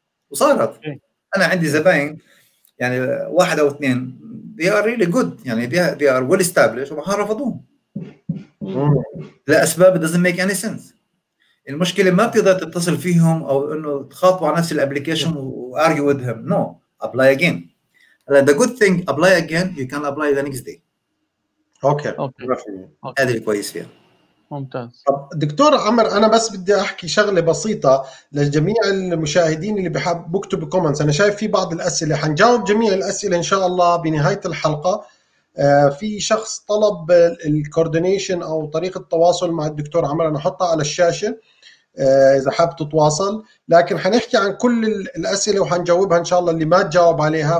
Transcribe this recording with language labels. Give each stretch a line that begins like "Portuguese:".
Arabic: وصارت انا عندي زباين يعني واحد او اثنين they are really good، يعني they are well established وبعدين رفضوهم لاسباب doesn't make any sense. المشكله ما بتقدر تتصل فيهم او انه تخاطبوا على نفس الابلكيشن و argue with them.
English: No. Apply again. The good thing, apply again, you can apply the next day. Okay okay
Arabic: هذا كويس فيها. ممتاز. دكتور عمر، أنا بس بدي أحكي شغلة بسيطة لجميع المشاهدين اللي بحب بكتب كومنتس. أنا شايف في بعض الأسئلة، حنجاوب جميع الأسئلة إن شاء الله بنهاية الحلقة. في شخص طلب الكوردينيشن أو طريقة التواصل مع الدكتور عمر، أنا حطها على الشاشة إذا حاب تتواصل، لكن حنحكي عن كل الأسئلة وحنجاوبها إن شاء الله اللي ما تجاوب عليها.